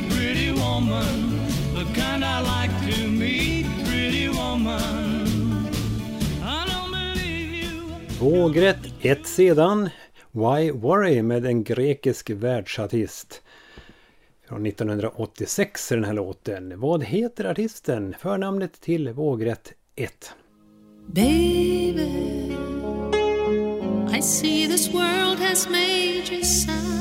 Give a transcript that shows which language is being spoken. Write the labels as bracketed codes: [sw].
[en] Pretty woman, the kind I like to meet. Pretty woman, I don't believe you. [sv] Vågrätt 1 sedan. Why Worry med en grekisk världsartist. Från 1986 är den här låten. Vad heter artisten? Förnamnet till vågrätt 1. [en] Baby, I see this world has made you sad.